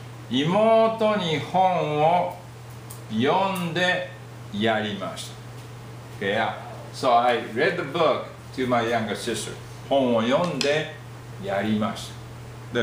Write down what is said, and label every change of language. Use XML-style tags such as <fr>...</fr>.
<ja>妹に本を読んでやりました。</ja> <en>Okay, yeah. So I read the book to my younger sister.</en> <ja>本を読んでやりました。</ja>